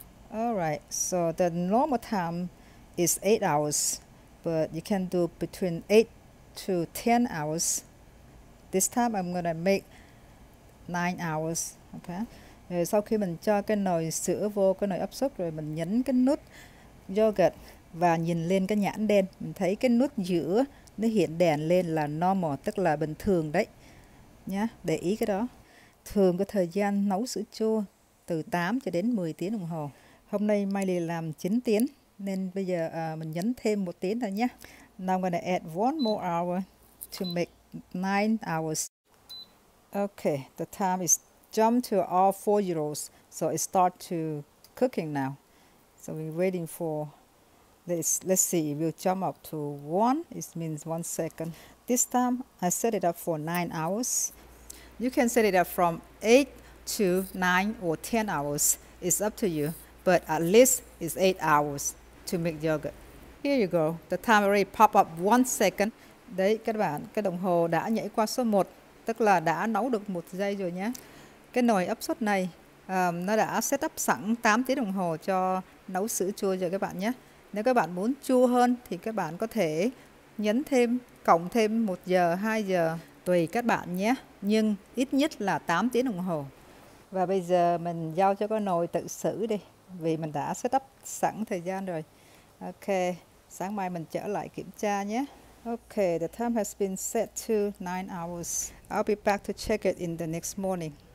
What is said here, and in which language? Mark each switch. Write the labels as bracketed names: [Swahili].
[English] All right, so the normal time is 8 hours, but you can do between 8 to 10 hours. This time I'm gonna make 9 hours. Okay. [Vietnamese] Rồi sau khi mình cho cái nồi sữa vô cái nồi áp suất rồi mình nhấn cái nút yogurt và nhìn lên cái nhãn đen, mình thấy cái nút giữa nó hiện đèn lên là normal, tức là bình thường đấy. Nhá, để ý cái đó. Thường có thời gian nấu sữa chua từ 8 cho đến 10 tiếng đồng hồ. Hôm nay Miley làm 9 tiếng nên bây giờ mình nhấn thêm 1 tiếng thôi nhá. [English] Now I'm gonna add one more hour to make 9 hours. Okay, the time is jump to all 4 euros, so it start to cooking now. So we're waiting for this. Let's see, it will jump up to 1, it means 1 second. This time I set it up for 9 hours. You can set it up from 8 to 9 or 10 hours, it's up to you, but at least it's 8 hours to make yogurt. Here you go, the time already pop up 1 second. [Vietnamese] Đấy các bạn, cái đồng hồ đã nhảy qua số 1, tức là đã nấu được 1 giây rồi nhé. Cái nồi áp suất này nó đã set up sẵn 8 tiếng đồng hồ cho nấu sữa chua rồi các bạn nhé. Nếu các bạn muốn chua hơn thì các bạn có thể nhấn thêm, cộng thêm 1 giờ, 2 giờ tùy các bạn nhé. Nhưng ít nhất là 8 tiếng đồng hồ. Và bây giờ mình giao cho cái nồi tự xử đi, vì mình đã set up sẵn thời gian rồi. Ok, sáng mai mình trở lại kiểm tra nhé. [English] Ok, the time has been set to 9 hours. I'll be back to check it in the next morning.